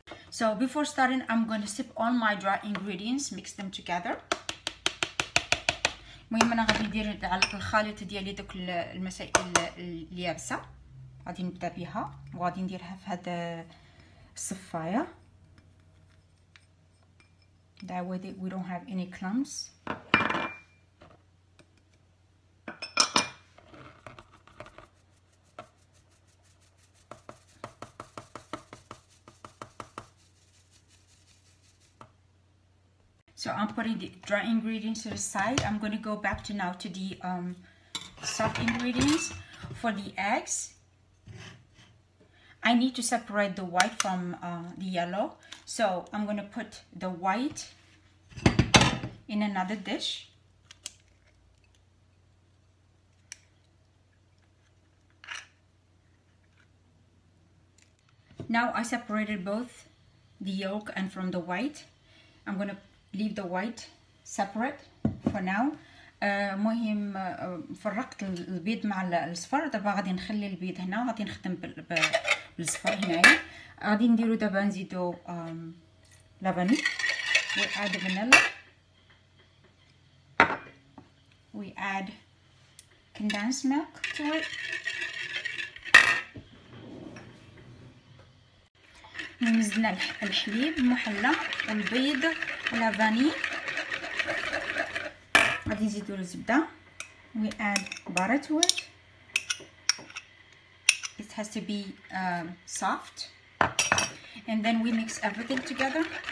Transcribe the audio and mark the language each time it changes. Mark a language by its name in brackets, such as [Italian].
[English] So before starting I'm going to sip all my dry ingredients, mix them together. [Arabic] المهم انا غادي ندير على الخليط ديالي دوك المسائل اليابسه, غادي نبدا بها وغادي نديرها في هذا الصفايه. [English] That way that we don't have any clumps. So I'm putting the dry ingredients to the side. I'm going to go back to now to the soft ingredients. For the eggs, I need to separate the white from the yellow. So I'm going to put the white in another dish. Now I separated both the yolk and from the white. I'm gonna leave the white separate for now. [Arabic] مهم فرقت البيض مع الصفر, دابا غادي نخلي البيض هنا, غادي نخدم بالصفر هنايا. غادي نديرو دابا نزيدو لافان وعاد فانيلا. [English] We add condensed milk to it. [Arabic] نزلنا الحليب المحلى والبيض والفاني. غادي نزيدو الزبدة. [English] We add butter to it. It has to be soft. And then we mix everything together.